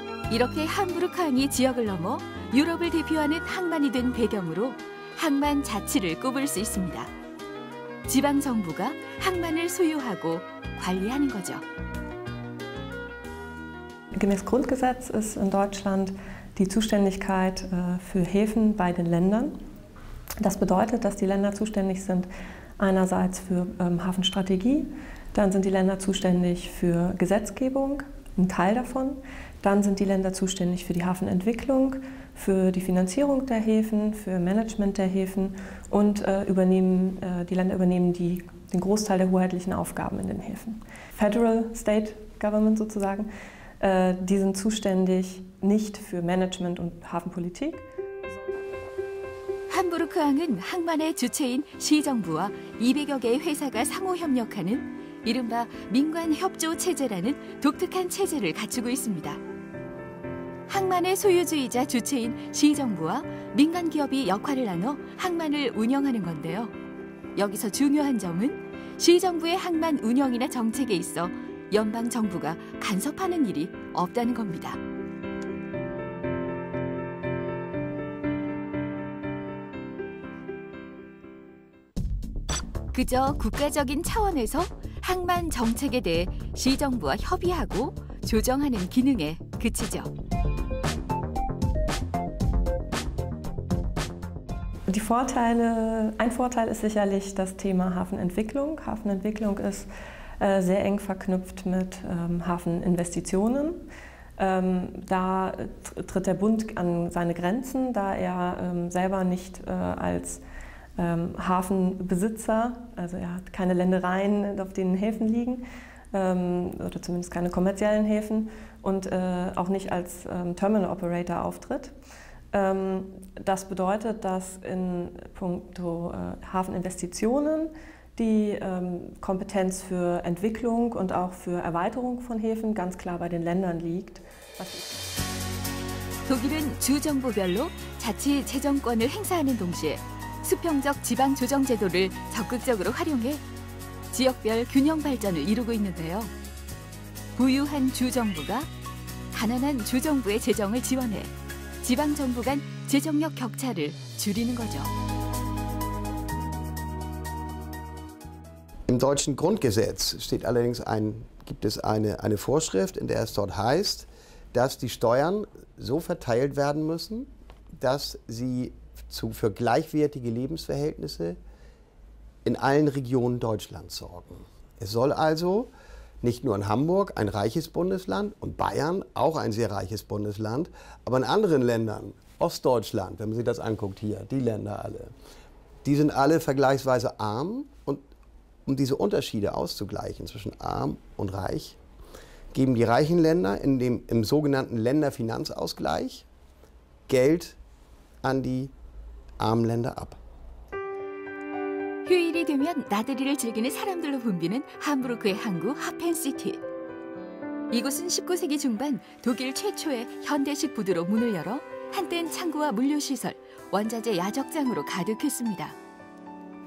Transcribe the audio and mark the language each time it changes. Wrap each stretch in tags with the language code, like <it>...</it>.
<ko>이렇게 함부르크항이 지역을 넘어 유럽을 대표하는 항만이 된 배경으로 항만 자치를 꼽을 수 있습니다. 지방정부가 항만을 소유하고 관리하는 거죠.</ko> <de>Gemäß Grundgesetz ist in Deutschland die Zuständigkeit für Häfen bei den Ländern. Das bedeutet, dass die Länder zuständig sind einerseits für Hafenstrategie, dann sind die Länder zuständig für Gesetzgebung, ein Teil davon, dann sind die Länder zuständig für die Hafenentwicklung, für die Finanzierung der Häfen, für Management der Häfen und die Länder übernehmen den Großteil der hoheitlichen Aufgaben in den Häfen.</de> <en>Federal State Government</en> <de>sozusagen, die sind zuständig nicht für Management und Hafenpolitik.</de> <ko>함부르크항은 항만의 주체인 시정부와 200여 개의 회사가 상호 협력하는 이른바 민관 협조 체제라는 독특한 체제를 갖추고 있습니다. 항만의 소유주이자 주체인 시정부와 민간 기업이 역할을 나눠 항만을 운영하는 건데요. 여기서 중요한 점은 시정부의 항만 운영이나 정책에 있어 연방 정부가 간섭하는 일이 없다는 겁니다. 그저 국가적인 차원에서 항만 정책에 대해 시정부와 협의하고 조정하는 기능에 그치죠.</ko> <de>Die Vorteile, ein Vorteil ist sicherlich das Thema Hafenentwicklung. Hafenentwicklung ist sehr eng verknüpft mit Hafeninvestitionen. Da tritt der Bund an seine Grenzen, da er selber nicht als Hafenbesitzer, also er hat keine Ländereien, auf denen Häfen liegen, oder zumindest keine kommerziellen Häfen und auch nicht als Terminal Operator auftritt. Das bedeutet, dass in puncto Hafeninvestitionen die Kompetenz für Entwicklung und auch für Erweiterung von Häfen ganz klar bei den Ländern liegt.</de> <ko>독일은 주정부별로 자치 재정권을 행사하는 동시에 수평적 지방 조정 제도를 적극적으로 활용해 지역별 균형 발전을 이루고 있는데요. 부유한 주정부가 가난한 주정부의 재정을 지원해 지방 정부 간 재정력 격차를 줄이는 거죠.</ko> <de>Im deutschen Grundgesetz steht allerdings gibt es eine Vorschrift, in der es dort heißt, dass die Steuern so verteilt werden müssen, dass sie für gleichwertige Lebensverhältnisse in allen Regionen Deutschlands sorgen. Es soll also nicht nur in Hamburg ein reiches Bundesland und Bayern auch ein sehr reiches Bundesland, aber in anderen Ländern, Ostdeutschland, wenn man sich das anguckt hier, die Länder alle, die sind alle vergleichsweise arm und um diese Unterschiede auszugleichen zwischen arm und reich, geben die reichen Länder im sogenannten Länderfinanzausgleich Geld an die armen Länder ab.</de> <ko>휴일이 되면 나들이를 즐기는 사람들로 붐비는 함부르크의 항구 하펜시티. 이곳은 19세기 중반 독일 최초의 현대식 부두로 문을 열어 한때는 창고와 물류시설, 원자재 야적장으로 가득했습니다.</ko>